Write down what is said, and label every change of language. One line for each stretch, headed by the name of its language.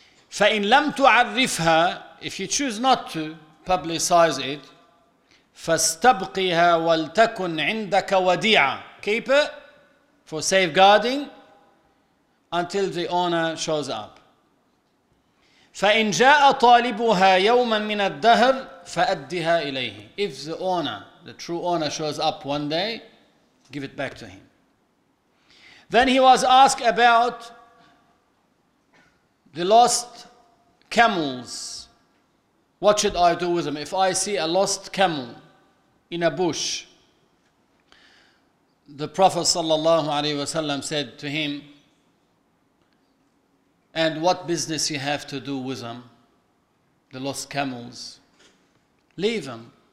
Arabic: فإن لم تعرفها,
English: if you choose not to publicize it,
Arabic: فاستبقيها ولتكن عندك وديعة.
English: Keep it for safeguarding until the owner shows up.
Arabic: فإن جاء طالبها يوما من الدهر فأدها إليه.
English: If the owner, the true owner, shows up one day, give it back to him. Then he was asked about the lost camels. What should I do with them? If I see a lost camel in a bush, the Prophet sallallahu alaihi wasallam said to him, and what business you have to do with them, the lost camels? Leave them.